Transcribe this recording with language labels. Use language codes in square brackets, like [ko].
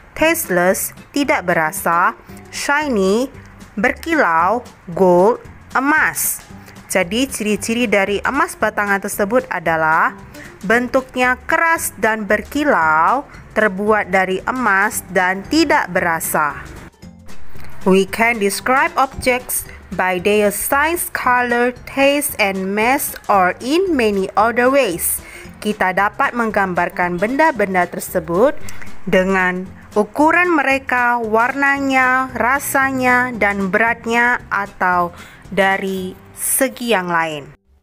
[id] Tasteless, tidak berasa. Shiny, berkilau. Gold, emas. Jadi ciri-ciri dari emas batangan tersebut adalah bentuknya keras dan berkilau, terbuat dari emas dan tidak berasa. [en] We can describe objects by their size, color, taste, and mass or in many other ways. [id] Kita dapat menggambarkan benda-benda tersebut dengan ukuran mereka, warnanya, rasanya, dan beratnya atau dari segi yang lain.